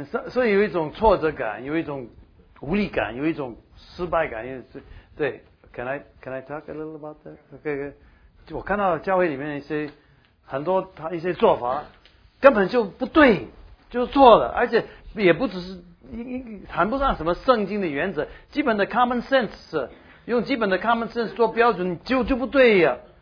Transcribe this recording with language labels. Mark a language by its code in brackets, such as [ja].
[zh] 所以有一种挫折感，有一种无力感，有一种失败感。 [en] 对 ，Can I talk a little about that? [zh] Okay, 我看到教会里面一些很多他一些做法根本就不对，就错了，而且也不只是谈不上什么圣经的原则，基本的 common sense， 用基本的 common sense 做标准就不对呀。